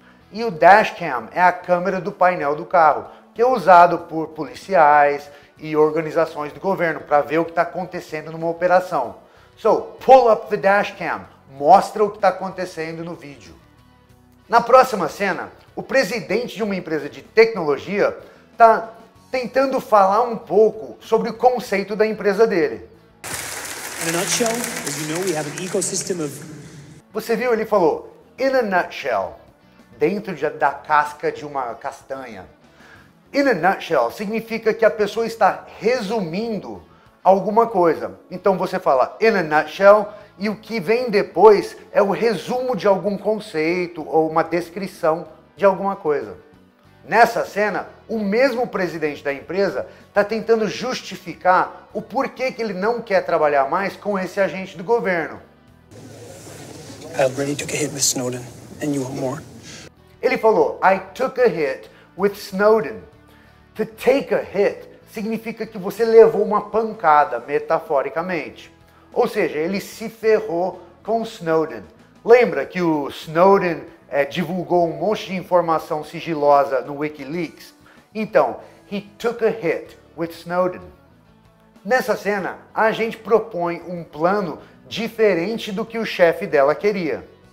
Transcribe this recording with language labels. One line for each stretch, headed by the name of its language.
Portuguese: E o dash cam é a câmera do painel do carro, que é usado por policiais e organizações do governo para ver o que está acontecendo numa operação.
English: So, pull up the dash cam.
Portuguese: Mostra o que está acontecendo no vídeo. Na próxima cena, o presidente de uma empresa de tecnologia está tentando falar um pouco sobre o conceito da empresa dele.
English: In a nutshell, as you know, we have an ecosystem of...
Portuguese: Você viu? Ele falou,
English: in a nutshell,
Portuguese: dentro da casca de uma castanha.
English: In a nutshell
Portuguese: significa que a pessoa está resumindo alguma coisa. Então você fala
English: in a nutshell
Portuguese: e o que vem depois é o resumo de algum conceito ou uma descrição de alguma coisa. Nessa cena, o mesmo presidente da empresa está tentando justificar o porquê que ele não quer trabalhar mais com esse agente do governo.
English: I already took a hit with Snowden and you want more?
Portuguese: Ele falou,
English: I took a hit with Snowden. To take a hit
Portuguese: significa que você levou uma pancada, metaforicamente. Ou seja, ele se ferrou com Snowden. Lembra que o Snowden divulgou um monte de informação sigilosa no WikiLeaks? Então,
English: he took a hit with Snowden.
Portuguese: Nessa cena, a gente propõe um plano diferente do que o chefe dela queria.